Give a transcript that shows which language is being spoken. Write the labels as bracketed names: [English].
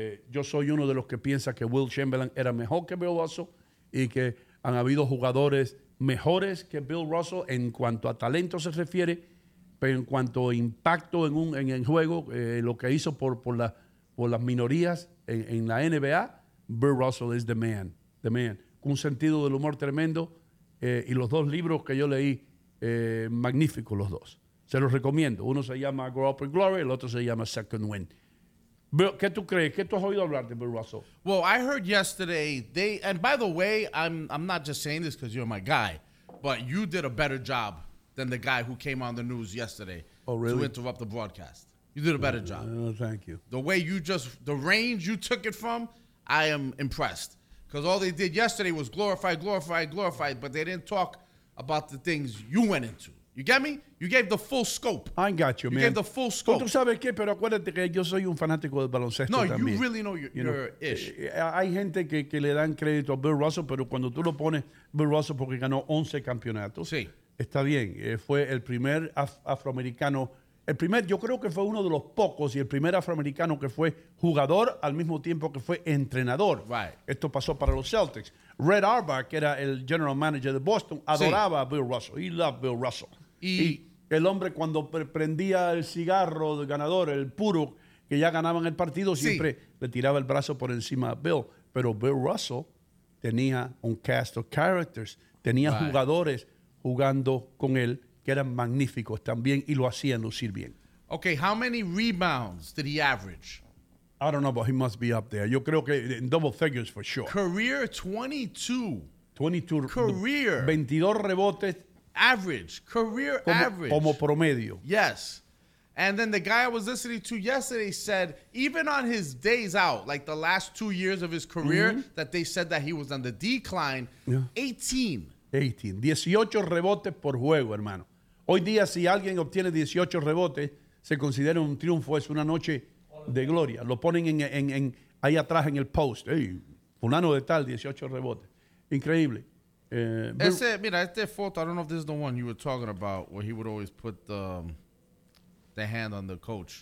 [Spanish] Yo soy uno de los que piensa que Will Chamberlain era mejor que Bill Russell y que han habido jugadores mejores que Bill Russell en cuanto a talento se refiere, pero en cuanto a impacto en el juego, lo que hizo por las minorías en la NBA, [English] Bill Russell is the man. [Spanish] Con un sentido del humor tremendo. Y los dos libros que yo leí, magníficos los dos. Se los recomiendo. Uno se llama Grow Up in Glory, el otro se llama Second Wind. Bill, ¿qué tú crees? ¿Qué tú has oído hablar de Bill Russell? [English] Well, I heard yesterday, and by the way, I'm not just saying this because you're my guy, but you did a better job than the guy who came on the news yesterday. Oh, really? To interrupt the broadcast. You did a better job. Thank you. The way you just, the range you took it from, I am impressed. Because all they did yesterday was glorify, but they didn't talk about the things you went into. You get me? You gave the full scope. I got you, man. You gave the full scope. [Spanish] Tú sabes qué, pero acuérdate que yo soy un fanático del baloncesto también. No, [English] you really know your ish. [Spanish] Hay gente que le dan crédito a Bill Russell, pero cuando tú lo pones, Bill Russell porque ganó 11 campeonatos. Sí. Está bien. Fue el primer afroamericano. Yo creo que fue uno de los pocos y el primer afroamericano que fue jugador al mismo tiempo que fue entrenador. [English] Right. [Spanish] Esto pasó para los Celtics. Red Auerbach, que era el general manager de Boston, adoraba a Bill Russell. [English] He loved Bill Russell. [Spanish] Y el hombre cuando prendía el cigarro del ganador, el puro, que ya ganaban el partido, siempre le tiraba el brazo por encima a Bill. Pero Bill Russell tenía un [English] cast of characters. [Spanish] Tenía jugadores jugando con él. Que eran magníficos también y lo hacían lucir bien. [English] Okay, how many rebounds did he average? I don't know, but he must be up there. [Spanish] Yo creo que [English] in double figures for sure. Career 22. 22. Career. [Spanish] 22 rebotes. [English] Average. Career [Spanish] como, [English] average. [Spanish] Como promedio. [English] Yes. And then the guy I was listening to yesterday said, even on his days out, like the last 2 years of his career, mm-hmm. that they said that he was on the decline, [Spanish] 18 rebotes por juego, hermano. Hoy día, si alguien obtiene 18 rebotes, se considera un triunfo, es una noche de gloria. Lo ponen en ahí atrás en el post. Hey, fulano de tal, 18 rebotes. Increíble. [English] Este photo, I don't know if this is the one you were talking about, where he would always put the hand on the coach.